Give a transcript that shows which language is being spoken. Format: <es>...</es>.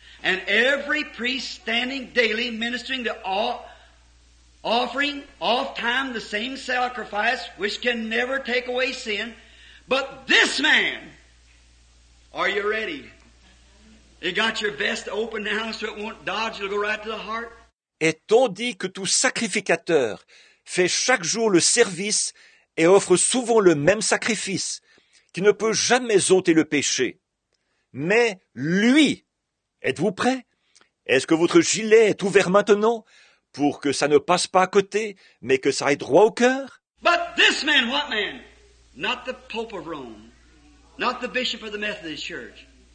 <en>And every priest standing daily ministering the offering oft time the same sacrifice which can never take away sin. But this man, are you ready? It got your best open now, so it won't dodge, it'll go right to the heart.</en> <fr>Et tandis que tout sacrificateur fait chaque jour le service et offre souvent le même sacrifice, qui ne peut jamais ôter le péché. Mais lui, êtes-vous prêt? Est-ce que votre gilet est ouvert maintenant pour que ça ne passe pas à côté, mais que ça aille droit au cœur?</fr> <en>But this man, what man? Not the Pope of Rome, not the Bishop of the Methodist Church.</en>